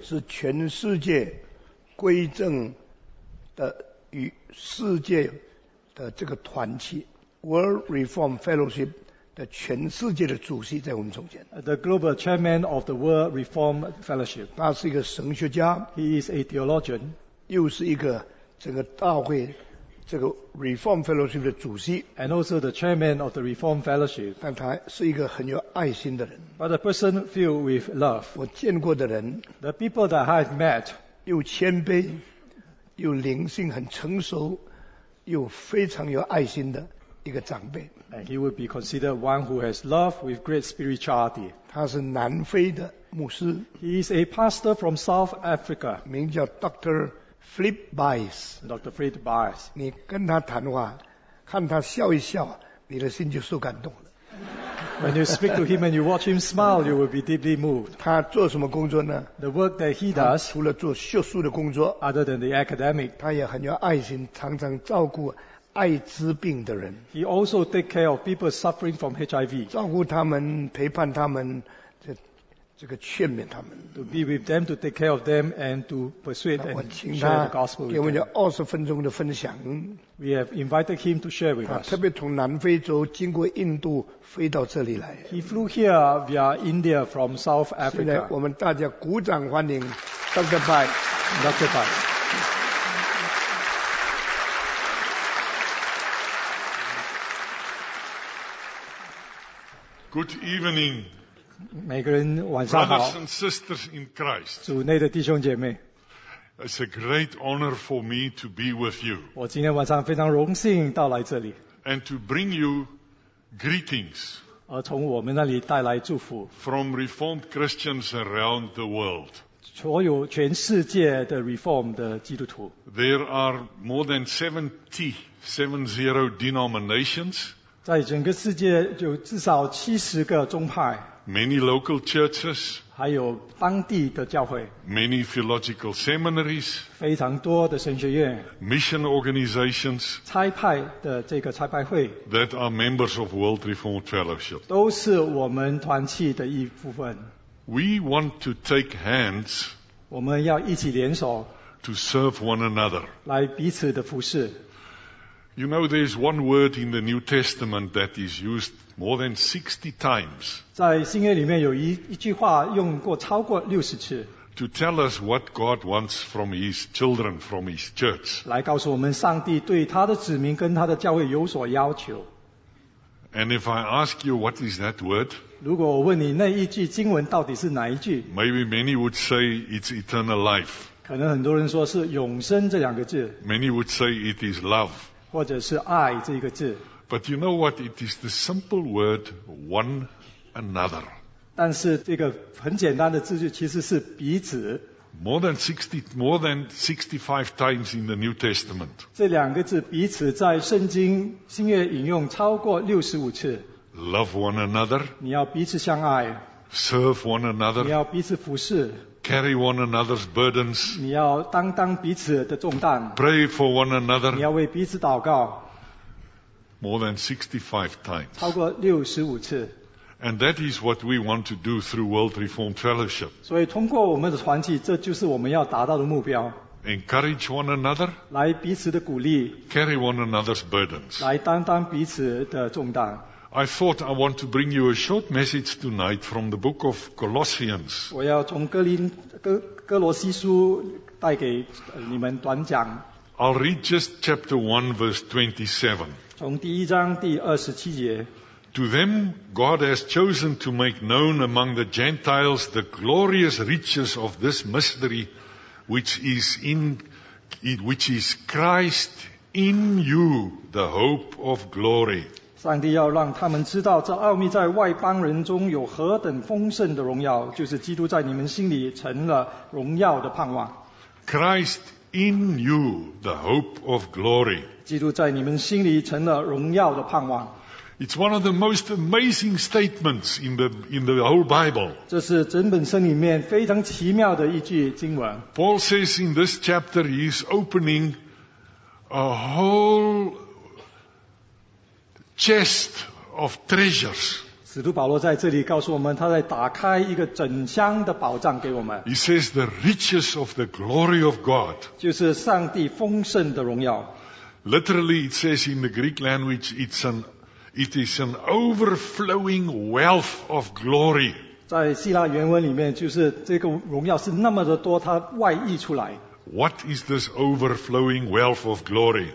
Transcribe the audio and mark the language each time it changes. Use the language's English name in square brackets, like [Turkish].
[Chinese] 是全世界归正的与世界的这个团契 World Reform Fellowship 的全世界的主席在我们中间。 [English] The global chairman of the World Reform Fellowship. [Chinese] 他是一个神学家。 [English] He is a theologian. [Chinese] 又是一个整个大会。这个 Reform Fellowship 的主席 [English] and also the chairman of the Reform Fellowship [Chinese] 但他是一个很有爱心的人 [English] but a person filled with love [Chinese] 我见过的人 [English] the people that I've met [Chinese] 又谦卑又灵性很成熟又非常有爱心的一个长辈 [English] and he would be considered one who has love with great spirituality [Chinese] 他是南非的牧师 [English] he is a pastor from South Africa [Chinese] 名叫 Dr. Flip Bias, [English] Dr. Flip Bias, [Chinese] 你跟他谈话，看他笑一笑，你的心就受感动了。 [English] When you speak to him and you watch him smile, you will be deeply moved. [Chinese] 他做什么工作呢 [English] ？The work that he does, [Chinese] 除了做学术的工作 [English] ，other than the academic, [Chinese] 他也很有爱心，常常照顾艾滋病的人。 [English] He also take care of people suffering from HIV. [Chinese] 照顾他们，陪伴他们。这个劝勉他们 [English] to be with them, to take care of them, and to persuade and share the gospel with them. [Chinese] 给我们有20分钟的分享。 [English] We have invited him to share with us. [Chinese] 特别从南非州经过印度飞到这里来。 [English] He flew here via India from South Africa. [Chinese] 现在我们大家鼓掌欢迎 Dr. Bai. Dr. Bai. [English] Good evening. [Chinese] 每个人晚上好 [English] Brothers and sisters in Christ, [Chinese] 主内的弟兄姐妹 [English] It's a great honor for me to be with you [Chinese] 我今天晚上非常荣幸到来这里 [English] And to bring you greetings [Chinese] 而从我们那里带来祝福 [English] From Reformed Christians around the world [Chinese] 所有全世界的 Reformed 的基督徒 [English] There are more than 70 denominations [Chinese] 在整个世界有至少70个宗派 [English] Many local churches, [Chinese] 还有当地的教会 [English] many theological seminaries, [Chinese] 非常多的神学院 [English] mission organizations, [Chinese] 差派的这个差派会 [English] that are members of World Reformed Fellowship, [Chinese] 都是我们团契的一部分 [English] We want to take hands, [Chinese] 我们要一起联手 [English] to serve one another, [Chinese] 来彼此的服侍 [English] You know, there's one word in the New Testament that is used more than 60 times, [Chinese] 在新约里面有 一句话用过超过60次 [English] to tell us what God wants from His children, from His church. [Chinese] 来告诉我们上帝对他的子民跟他的教会有所要求。 [English] And if I ask you what is that word, [Chinese] 如果我问你那一句经文到底是哪一句 [English] maybe many would say it's eternal life. [Chinese] 可能很多人说是永生这两个字 [English] many would say it is love. [Chinese] 或者是爱这个字。 [English] But you know what? It is the simple word, one another. [Chinese] 但是这个很简单的字句其实是彼此。 [English] More than 65 times in the New Testament. [Chinese] 这两个字彼此在圣经新约引用超过65次。 [English] Love one another. [Chinese] 你要彼此相爱。 [English] Serve one another. [Chinese] 你要彼此服侍。 [English] Carry one another's burdens. [Chinese] 你要担当彼此的重担。 [English] Pray for one another. [Chinese] 你要为彼此祷告。 [English] More than 65 times. [Chinese] 超过65次。 [English] And that is what we want to do through World Reformed Fellowship. [Chinese] 所以通过我们的团契，这就是我们要达到的目标。 [English] Encourage one another. [Chinese] 来彼此的鼓励。 [English] Carry one another's burdens. [Chinese] 来担当彼此的重担。 [English] I thought I want to bring you a short message tonight from the book of Colossians. [Chinese] 我要从哥罗西书带给你们短讲。 [English] I'll read just chapter 1 verse 27. [Chinese] 从第一章第二十七节 [English] To them God has chosen to make known among the Gentiles the glorious riches of this mystery which is Christ in you the hope of glory [Chinese] 上帝要让他们知道这奥秘在外邦人中有何等丰盛的荣耀就是基督在你们心里成了荣耀的盼望 [English] Christ in you the hope of glory [Chinese] 基督在你们心里成了荣耀的盼望。 [English] It's one of the most amazing statements in the whole Bible. [Chinese] 这是整本圣里面非常奇妙的一句经文。 [English] Paul says in this chapter he is opening a whole chest of treasures. [Chinese] 使徒保罗在这里告诉我们，他在打开一个整箱的宝藏给我们。 [English] He says the riches of the glory of God. [Chinese] 就是上帝丰盛的荣耀。 [English] Literally, it says in the Greek language, it is an overflowing wealth of glory. [Chinese] 在希腊原文里面，就是这个荣耀是那么的多，它外溢出来。 [English] What is this overflowing wealth of glory?